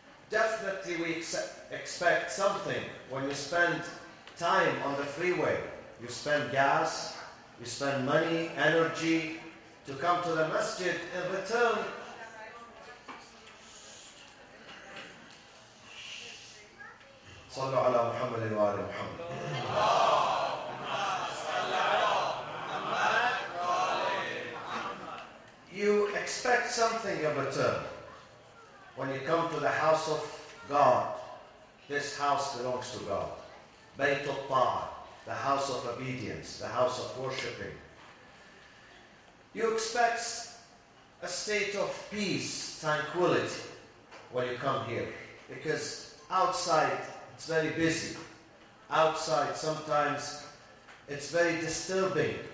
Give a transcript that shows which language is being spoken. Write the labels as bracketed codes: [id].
[en] Definitely we expect something. When you spend time on the freeway, you spend gas, you spend money, energy, to come to the masjid, in return, [ar] صلى على محمد وآل محمد. اللهم صل على محمد وآل محمد. [en] You expect something in return when you come to the house of God. This house belongs to God. [ar] بيت الطاعة, [en] the house of obedience, the house of worshipping. You expect a state of peace, tranquility when you come here, because outside it's very busy. Outside sometimes it's very disturbing